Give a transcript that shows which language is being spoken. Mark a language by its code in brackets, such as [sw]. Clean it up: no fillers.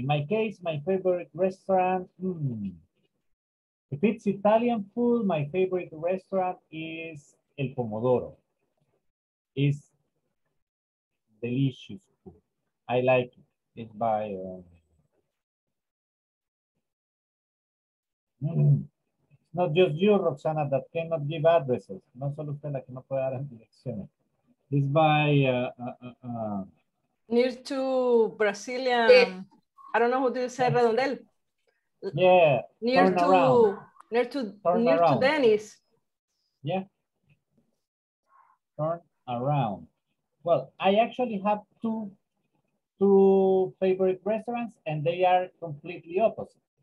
[en] In my case, my favorite restaurant. If it's Italian food, my favorite restaurant is El Pomodoro. It's delicious food. I like it. It's by... Not just you, Roxana, that cannot give addresses. [es] No solo usted la que no puede dar direcciones. [en] It's by... near to Brazilian... Yeah. I don't know who did you say, Redondel. Yeah, near to around. Near to turn near around. To Dennis. Yeah. Turn around. Well, I actually have two favorite restaurants and they are completely opposite.